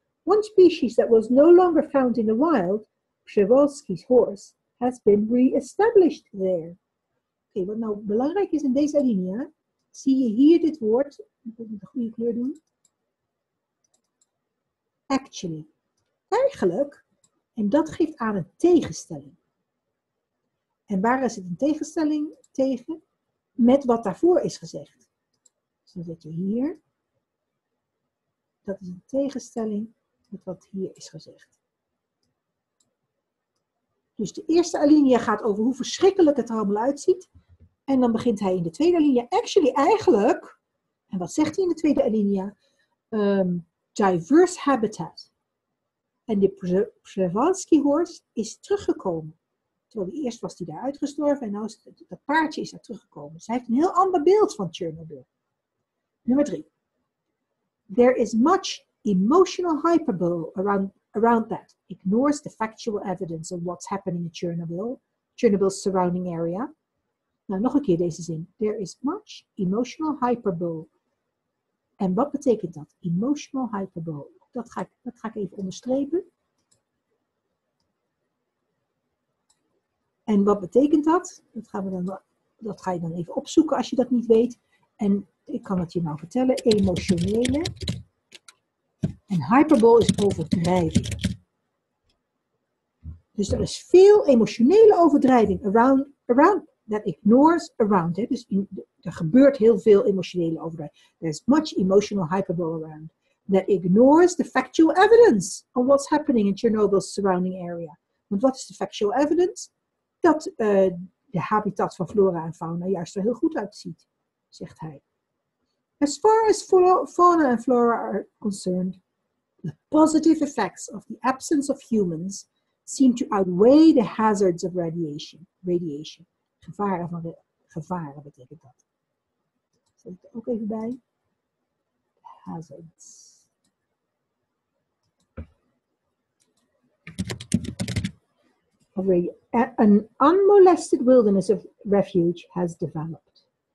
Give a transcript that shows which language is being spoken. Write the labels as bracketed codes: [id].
[en] One species that was no longer found in the wild, Przewalski's horse, has been re-established there. [nl] Oké, wat nou belangrijk is in deze alinea, zie je hier dit woord, ik moet het de goede kleur doen. Actually, eigenlijk, en dat geeft aan een tegenstelling. En waar is het een tegenstelling tegen? Met wat daarvoor is gezegd. Dus dan zet je hier, dat is een tegenstelling met wat hier is gezegd. Dus de eerste alinea gaat over hoe verschrikkelijk het er allemaal uitziet. En dan begint hij in de tweede alinea. Actually, eigenlijk. En wat zegt hij in de tweede alinea? Diverse habitat. En de Przewalski horse is teruggekomen. Terwijl die eerst was hij daar uitgestorven. En nu is dat paardje is daar teruggekomen. Dus hij heeft een heel ander beeld van Chernobyl. Nummer 3. [en] There is much emotional hyperbole around that ignores the factual evidence of what's happening in Chernobyl, Chernobyl's surrounding area. [nl] Nou, nog een keer deze zin. [en] There is much emotional hyperbole. [nl] En wat betekent dat? Emotional hyperbole. Dat ga ik even onderstrepen. En wat betekent dat? Dat ga je dan even opzoeken als je dat niet weet. En ik kan het je nou vertellen. Emotionele. En hyperbole is overdrijving. Dus er is veel emotionele overdrijving [en] around that ignores around. [nl] Hè? Dus er gebeurt heel veel emotionele overdrijving. [en] There is much emotional hyperbole around that ignores the factual evidence on what's happening in Chernobyl's surrounding area. [nl] Want wat is de factual evidence? Dat de habitat van flora en fauna juist er heel goed uitziet, zegt hij. [en] As far as fauna and flora are concerned, the positive effects of the absence of humans seem to outweigh the hazards of radiation. [nl] Gevaren van de gevaren betekent dat. Zet ik er ook even bij. [en] Hazards. An unmolested wilderness of refuge has developed.